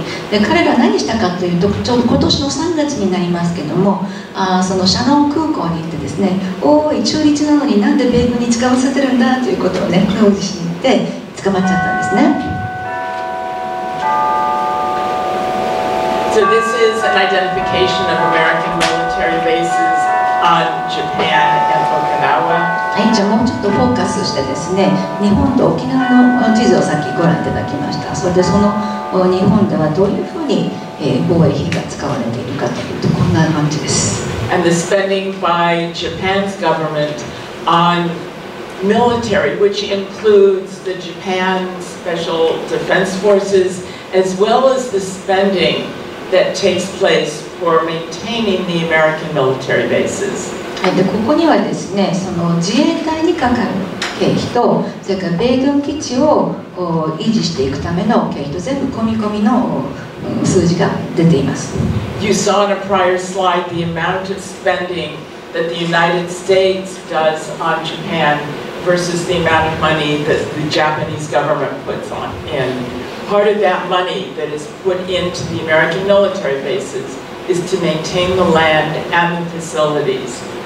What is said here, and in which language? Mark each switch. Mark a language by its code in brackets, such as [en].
[ja] で、彼ら何したかというと、ちょうど今年の3月になりますけども、そのシャノン空港に行ってですね、おい、中立なのになんで米軍に使わせてるんだということをね、抗議しに行って捕まっちゃったんですね。 [en] So this is an identification of American military bases on Japan and Okinawa. [ja] はい、じゃあもうちょっとフォーカスしてですね、日本と沖縄の地図をさっきご覧いただきました。それでその日本ではどういうふうに防衛費が使われているかというとこんな感じです。 [en] And the spending by Japan's government on military, which includes the Japan Special Defense Forces, as well as the spending that takes place for maintaining the American military bases. [ja] でここにはですね、その自衛隊にかかる経費と、それから米軍基地を維持していくための経費と全部込み込みの数字が出ています。 [en] You saw in a prior slide the amount of spending that the United States does on Japan versus the amount of money that the Japanese government puts on. And part of that money that is put into the American military bases is to maintain the land and the facilities.